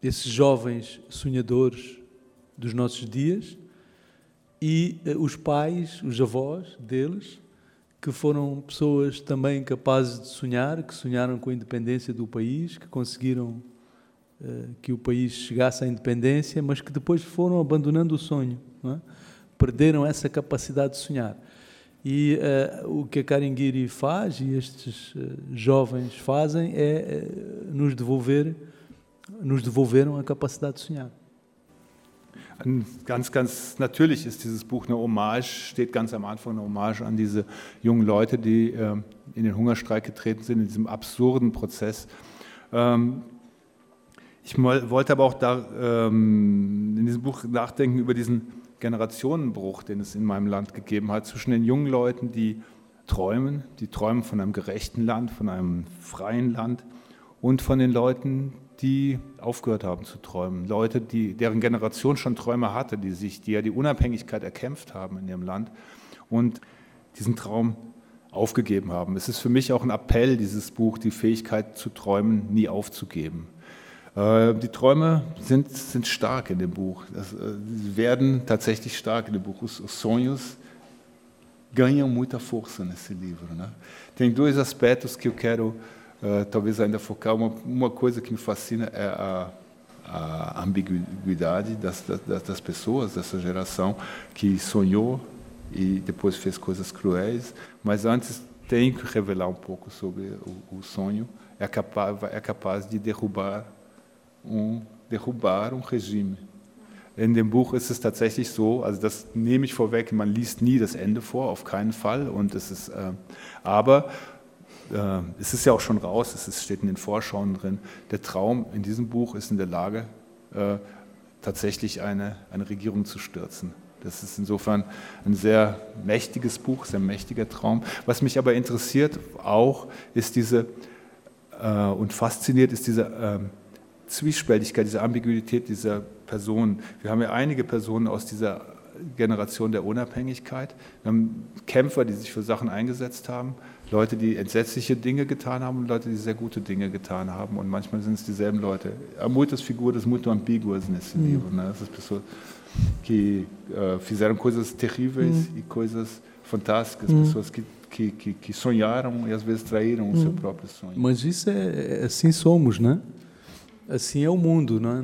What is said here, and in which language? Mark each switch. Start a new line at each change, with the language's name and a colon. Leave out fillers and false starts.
Portuguese: esses jovens sonhadores dos nossos dias e os pais, os avós deles, que foram pessoas também capazes de sonhar, que sonharam com a independência do país, que conseguiram que o país chegasse à independência, mas que depois foram abandonando o sonho, não é? Perderam essa capacidade de sonhar. E o que a Karingiri faz, e estes jovens fazem, é nos devolveram a capacidade de sonhar.
German: Ganz, ganz natürlich ist dieses Buch eine Hommage, steht ganz am Anfang eine Hommage an diese jungen Leute, die in den Hungerstreik getreten sind, in diesem absurden Prozess. Ich wollte aber auch da in diesem Buch nachdenken über diesen Generationenbruch, den es in meinem Land gegeben hat, zwischen den jungen Leuten, die träumen von einem gerechten Land, von einem freien Land und von den Leuten, die aufgehört haben zu träumen. Leute, die, deren Generation schon Träume hatte, die Unabhängigkeit erkämpft haben in ihrem Land und diesen Traum aufgegeben haben. Es ist für mich auch ein Appell, dieses Buch, die Fähigkeit zu träumen, nie aufzugeben. Die Träume sind stark in dem Buch. Sie werden tatsächlich stark in dem Buch.
Portuguese: Os sonhos ganham muita força nesse livro. Né? Tem dois aspectos que eu quero... talvez ainda focar uma coisa que me fascina é a ambiguidade das pessoas dessa geração que sonhou e depois fez coisas cruéis, mas antes tem que revelar um pouco sobre o sonho, é capaz de derrubar um regime.
German: In dem Buch ist es tatsächlich so, also das nehme ich vorweg, man liest nie das Ende vor, auf keinen Fall, und es ist aber es ist ja auch schon raus, es steht in den Vorschauen drin. Der Traum in diesem Buch ist in der Lage, tatsächlich eine Regierung zu stürzen. Das ist insofern ein sehr mächtiges Buch, sehr mächtiger Traum. Was mich aber interessiert auch, ist diese, und fasziniert, ist diese Zwiespältigkeit, diese Ambiguität dieser Personen. Wir haben ja einige Personen aus dieser Generation der Unabhängigkeit. Wir haben Kämpfer, die sich für Sachen eingesetzt haben, Leute, die entsetzliche Dinge getan haben und Leute, die sehr gute Dinge getan haben. Und manchmal sind es dieselben Leute.
Portuguese: A muitas figuras muito ambíguas nesse livro. Né? Essas pessoas que fizeram coisas terríveis e coisas fantásticas. Pessoas que sonharam e às vezes traíram o seu próprio sonho. Mas isso é... Assim somos, né? Assim é o mundo, né?